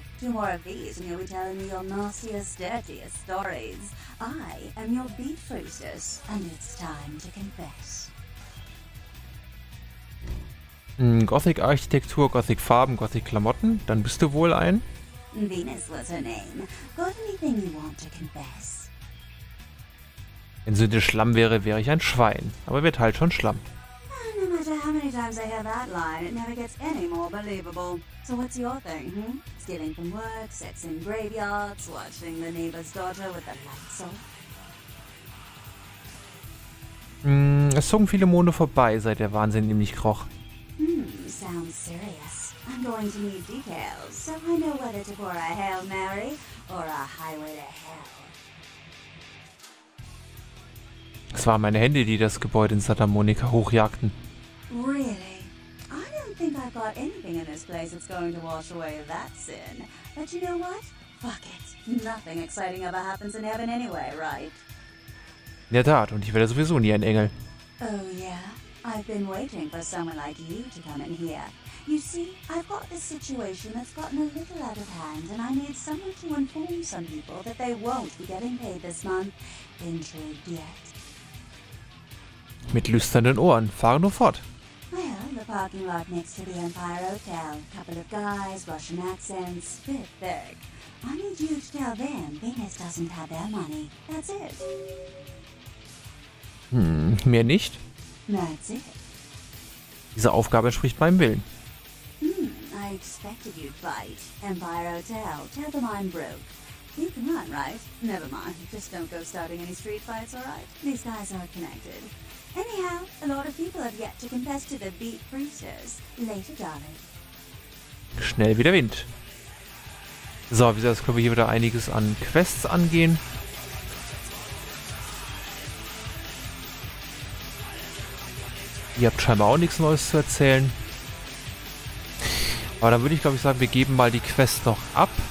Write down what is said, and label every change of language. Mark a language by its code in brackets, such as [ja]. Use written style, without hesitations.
[en] Two more of these and you'll be telling me your nastiest, dirtiest stories. I am your beef roses and it's time to confess. [de] Gothic-Architektur, Gothic-Farben, Gothic-Klamotten, dann bist du wohl ein... [en] Venus was her name. Got anything you want to confess? [de] Wenn Sünde Schlamm wäre, wäre ich ein Schwein. Aber wird halt schon Schlamm. [en] No matter how many times I hear that line, it never gets any more believable. So what's your thing, Stealing from work, sex in graveyards, watching the neighbor's daughter with the lights off? [de] Es zogen viele Monde vorbei, seit der Wahnsinn nämlich kroch. [en] So sounds serious. I'm going to need details, so I know whether to pour a Hail Mary or a Highway to Hell. [de] Es waren meine Hände, die das Gebäude in Santa Monica hochjagten. [en] Really? I don't think I've got anything in this place that's going to wash away that sin. But you know what? Fuck it. Nothing exciting ever happens in heaven anyway, right? [de] In der Tat, und ich werde sowieso nie ein Engel. [en] Oh yeah? I've been waiting for someone like you to come in here. You see, I've got this situation that's gotten a little out of hand, and I need someone to inform some people that they won't be getting paid this month. Intrigued yet? [de] Mit lüsternen Ohren. Fahre nur fort. [en] Well, the parking lot next to the Empire Hotel. Couple of guys, Russian accents, bit thick. I need you to tell them Venus doesn't have their money. That's it. [de] Mehr nicht. [en] That's it. [de] Diese Aufgabe entspricht meinem Willen. [en] I expected you'd fight. Empire Hotel, tell them I'm broke. You can run, right? Never mind. Just don't go starting any street fights, all right? These guys aren't connected. Anyhow, a lot of people have yet to confess to the beat freezers. Later, darling. [de] Schnell wie der Wind. So, wie gesagt, können wir hier wieder einiges an Quests angehen. Ihr habt scheinbar auch nichts Neues zu erzählen. Aber dann würde ich, glaube ich, sagen, wir geben mal die Quest noch ab.